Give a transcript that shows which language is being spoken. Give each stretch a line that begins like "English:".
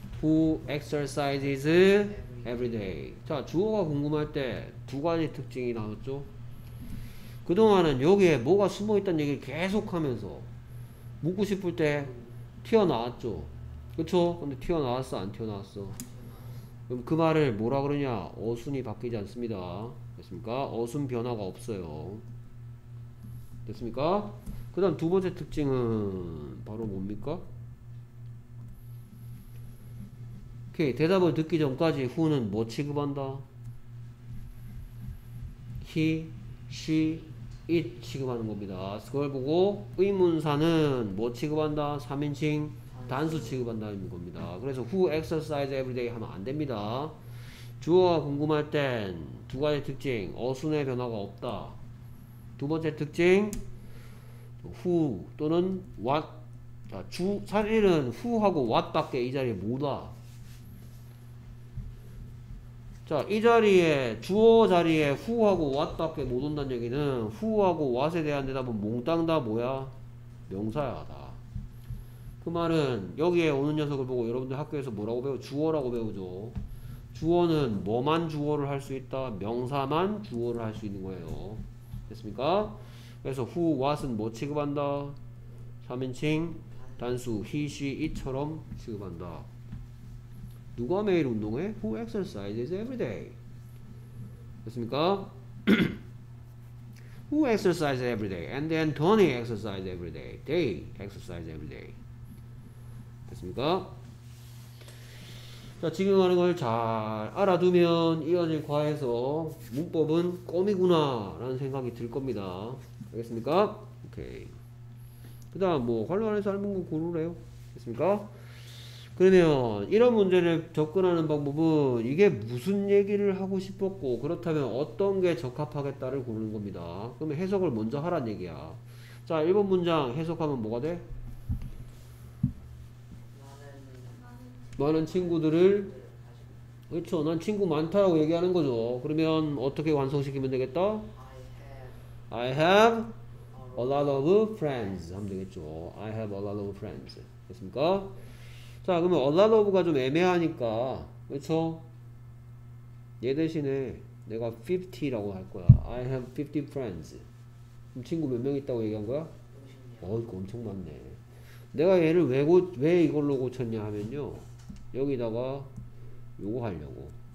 English: Who exercises every day?
Korean: 자, 주어가 궁금할 때두 가지 특징이 나왔죠? 그동안은 여기에 뭐가 숨어 있다는 얘기를 계속 하면서 묻고 싶을 때 튀어나왔죠? 그쵸? 근데 튀어나왔어? 안 튀어나왔어? 그럼 그 말을 뭐라 그러냐? 어순이 바뀌지 않습니다. 됐습니까? 어순 변화가 없어요. 됐습니까? 그 다음 두 번째 특징은 바로 뭡니까? 오케이. 대답을 듣기 전까지 who는 뭐 취급한다? he, she, it 취급하는 겁니다. 그걸 보고 의문사는 뭐 취급한다? 3인칭 단수 취급한다는 겁니다. 그래서
English: who exercise every day
Korean: 하면 안 됩니다. 주어가 궁금할 땐 두 가지 특징. 어순의 변화가 없다. 두 번째 특징, who 또는 what. 자, 주, 사실은 who하고 what 밖에 이 자리에 못 와. 자, 이 자리에 주어 자리에 who하고 what 밖에 못 온다는 얘기는 who하고 what에 대한 대답은 몽땅 다 뭐야? 명사야, 다. 그 말은 여기에 오는 녀석을 보고 여러분들 학교에서 뭐라고 배우? 주어라고 배우죠. 주어는 뭐만 주어를 할 수 있다? 명사만 주어를 할 수 있는 거예요. 됐습니까? 그래서 who, what은 뭐 취급한다? 3인칭 단수 he, she, it처럼 취급한다. 누가 매일 운동해?
English: Who exercises every day?
Korean: 됐습니까?
English: Who exercises every day? And then Tony exercises every day. They exercise every day.
Korean: 됐습니까? 자, 지금 하는 걸 잘 알아두면 이어질 과에서 문법은 껌이구나 라는 생각이 들 겁니다. 알겠습니까? 오케이. 그 다음 뭐 관련해서 할 문구 고르래요. 됐습니까? 그러면 이런 문제를 접근하는 방법은 이게 무슨 얘기를 하고 싶었고 그렇다면 어떤 게 적합하겠다를 고르는 겁니다. 그러면 해석을 먼저 하란 얘기야. 자, 1번 문장 해석하면 뭐가 돼? 많은 친구들을, 그렇죠, 난 친구 많다라고 얘기하는 거죠. 그러면 어떻게 완성시키면 되겠다?
English: I have a lot of friends
Korean: 하면 되겠죠.
English: I have a lot of friends. 됐습니까?
Korean: 자, 그러면 a lot of가 좀 애매하니까, 그렇죠? 얘 대신에 내가 50라고 할 거야.
English: I have 50 friends.
Korean: 그럼 친구 몇 명 있다고 얘기한 거야? 어이구, 엄청 많네. 내가 얘를 왜 이걸로 고쳤냐 하면요, 여기다가 요거 하려고.